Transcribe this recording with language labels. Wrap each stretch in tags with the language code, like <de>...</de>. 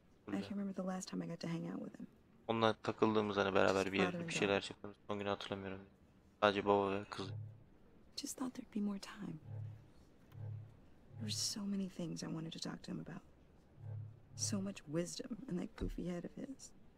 <en>I can't remember the last time I got to hang out with him.</en> <tr>Onunla takıldığımız, hani beraber bir yerde bir şeyler çıktığımız son günü hatırlamıyorum. Sadece baba ve kız.</tr> <en>Just thought there'd be more time. There were so many things I wanted to talk to him about. So much wisdom in that goofy head of his.</en>